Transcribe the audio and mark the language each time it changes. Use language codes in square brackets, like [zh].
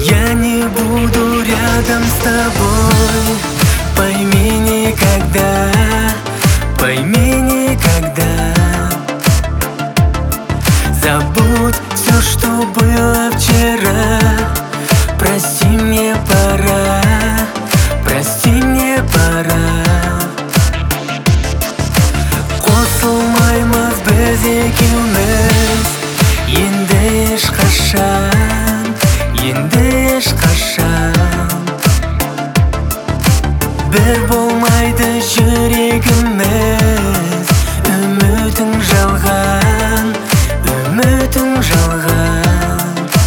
[ru] Я не буду рядом с тобой, пойми никогда, пойми никогда. Забудь все, что было вчера, прости, мне пора. Прости, мне пора. What's all my most basic illness? [kk] Енді ешқашан, енді ешқашан. Бір болмайды жүрегіміз, үмітің жалған, үмітің жалған.